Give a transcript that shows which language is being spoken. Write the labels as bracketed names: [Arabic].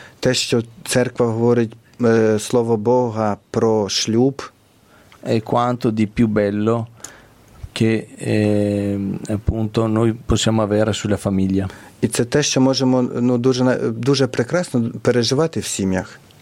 [Ukrainian] те, що церква говорить слово Бога про шлюб, [Italian] è quanto di più bello che appunto noi possiamo avere sulla famiglia. [Ukrainian] І це те, що можемо дуже, дуже прекрасно переживати в сім'ях.